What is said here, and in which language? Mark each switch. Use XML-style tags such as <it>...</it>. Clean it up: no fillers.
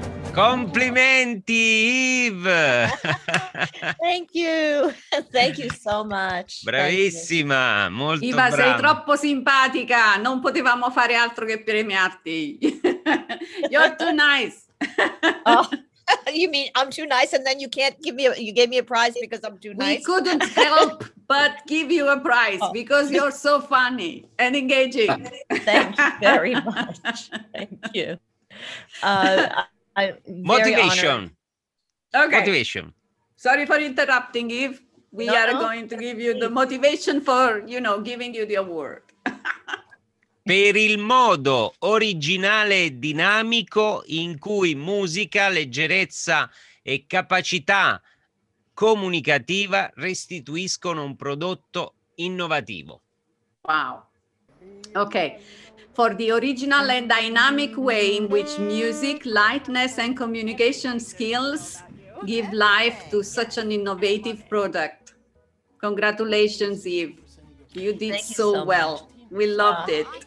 <it>Complimenti, Eve!</it> <en>Thank you so much.</en> <it>Bravissima, molto Eva, brava. Sei troppo simpatica, non potevamo fare altro che premiarti.</it> <en>You're too nice. Oh, you mean I'm too nice and then you can't give me you gave me a prize because I'm too nice? We couldn't help but give you a prize because you're so funny and engaging. Thank you very much. Thank you. Motivation. Honored. Okay. Motivation. Sorry for interrupting, Eve. We are going to give you the motivation for, you know, giving you the award.</en> <it>Per il modo originale e dinamico in cui musica, leggerezza e capacità comunicativa restituiscono un prodotto innovativo.</it> <en>Wow. Okay. For the original and dynamic way in which music, lightness, and communication skills give life to such an innovative product. Congratulations, Eve. You did so well. We loved it.</en>